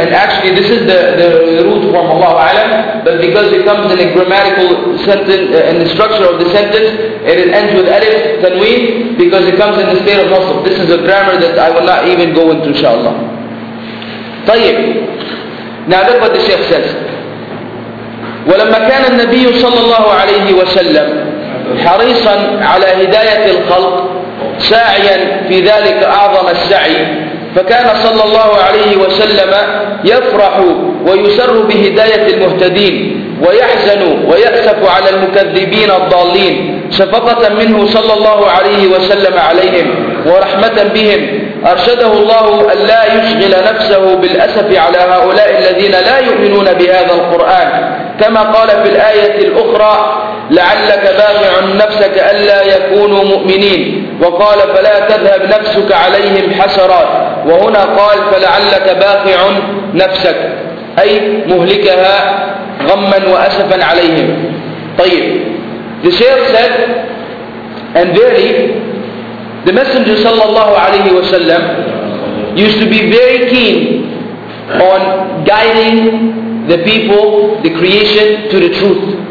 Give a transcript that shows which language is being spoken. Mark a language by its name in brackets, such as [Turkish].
[English] And actually, this is the root from Allah A'lam. But because it comes in a grammatical sentence, in the structure of the sentence, and it ends with alif, tanween, because it comes in the state of nasb. This is a grammar that I will not even go into, inshallah. [Arabic] طيب. [English] Now look what the Shaykh says. [Arabic] ولما كان النبي صلى الله عليه وسلم حريصا على هداية الخلق ساعيا في ذلك أعظم السعي فكان صلى الله عليه وسلم يفرح ويسر بهداية المهتدين ويحزن ويأسف على المكذبين الضالين شفقة منه صلى الله عليه وسلم عليهم ورحمة بهم أرشده الله ألا يشغل نفسه بالأسف على هؤلاء الذين لا يؤمنون بهذا القرآن كما قال في الآية الأخرى لعلك باقع نفسك ألا يكونوا مؤمنين وقال فلا تذهب نفسك عليهم حسرات وهنا قال فلعلك باقع نفسك أي مهلكها غما وأسفا عليهم. طيب, [English] the Shaykh said, and verily, the Messenger sallallahu alayhi wa sallam used to be very keen on guiding the people, the creation, to the truth.